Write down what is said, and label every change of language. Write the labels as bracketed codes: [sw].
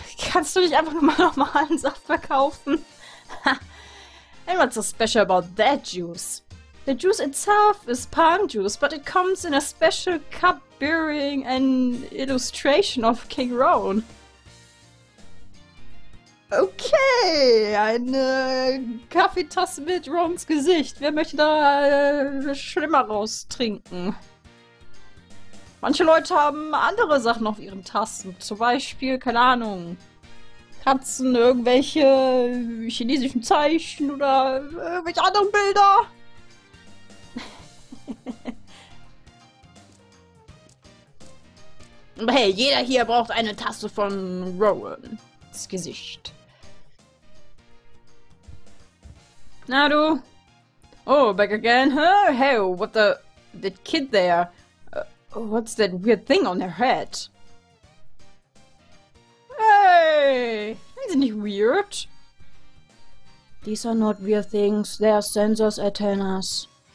[de] Kannst du nicht einfach nur mal normalen Saft verkaufen? [en] And what's so special about that juice? The juice itself is palm juice, but it comes in a special cup bearing an illustration of King Rowan. [de] Okay, eine Kaffeetasse mit Rowans Gesicht. Wer möchte da schlimmer raus trinken? Manche Leute haben andere Sachen auf ihren Tassen, zum Beispiel, keine Ahnung. Katzen, irgendwelche chinesischen Zeichen oder irgendwelche anderen Bilder. Hey, jeder hier braucht eine Tasse von Rowans Gesicht. Na du? [en] Oh, back again? Huh? Hey, what the... That kid there? What's that weird thing on her head? Hey! Isn't it weird? These are not weird things. They are sensors, antennas.